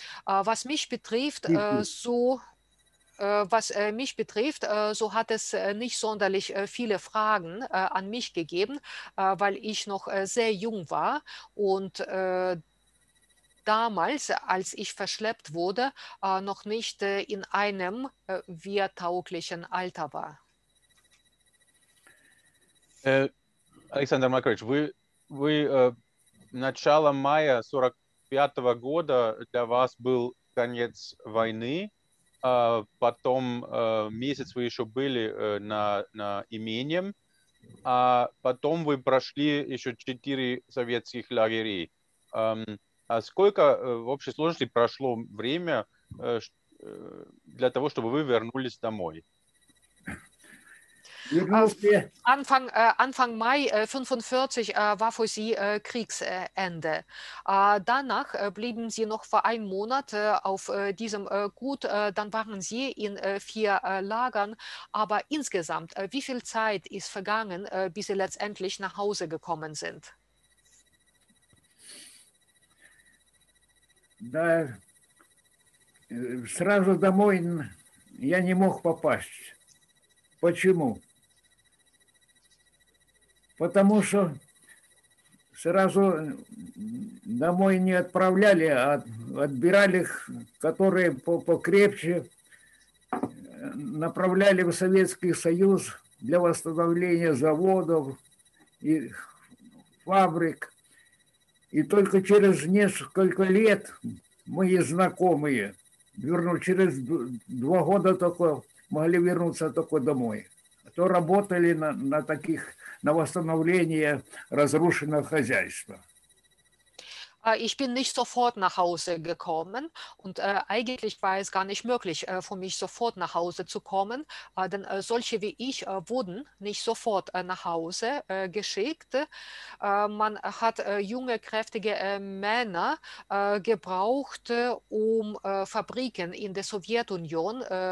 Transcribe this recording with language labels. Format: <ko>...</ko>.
<de>Was mich betrifft, so hat es nicht sonderlich viele Fragen an mich gegeben, weil ich noch sehr jung war und damals, als ich verschleppt wurde, noch nicht in einem wehrtauglichen Alter war.</de> <ru>Александр Макарович, вы начало мая 45-го года для вас был конец войны, потом месяц вы еще были на имении, а потом вы прошли еще 4 советских лагеря. А сколько в общей сложности прошло время для того, чтобы вы вернулись домой?</ru> <de>Anfang Mai 45 war für sie Kriegsende. Danach blieben sie noch für einen Monat auf diesem Gut. Dann waren sie in 4 Lagern. Aber insgesamt, wie viel Zeit ist vergangen, bis sie letztendlich nach Hause gekommen sind?</de> <ru>Да, сразу домой я не мог попасть. Почему? Потому что сразу домой не отправляли, а отбирали их, которые покрепче, направляли в Советский Союз для восстановления заводов и фабрик. И только через несколько лет мои знакомые вернулись, через 2 года только могли вернуться только домой. А то работали на таких, на восстановление разрушенного хозяйства.</ru> <de>Ich bin nicht sofort nach Hause gekommen und eigentlich war es gar nicht möglich für mich sofort nach Hause zu kommen, denn solche wie ich wurden nicht sofort nach Hause geschickt. Man hat junge, kräftige Männer gebraucht, um Fabriken in der Sowjetunion</de>